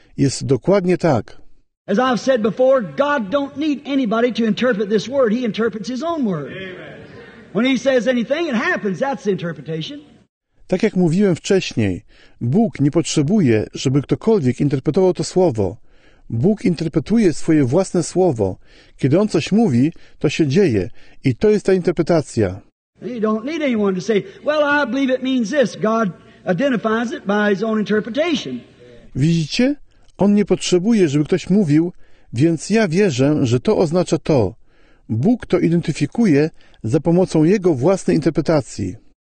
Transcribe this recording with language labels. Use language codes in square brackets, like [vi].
[pl] Jest dokładnie tak. [en] As I've said before, God don't need anybody to interpret this word. He interprets his own word. When he says anything, it happens. That's the interpretation. [pl] Tak jak mówiłem wcześniej, Bóg nie potrzebuje, żeby ktokolwiek interpretował to słowo. Bóg interpretuje swoje własne słowo. Kiedy on coś mówi, to się dzieje. I to jest ta interpretacja. [en] He don't need anyone to say, well, I believe it means this. God identifies it by his own interpretation. [pl] Widzicie? On nie potrzebuje, żeby ktoś mówił, więc ja wierzę, że to oznacza to. Bóg to identyfikuje za pomocą jego własnej interpretacji.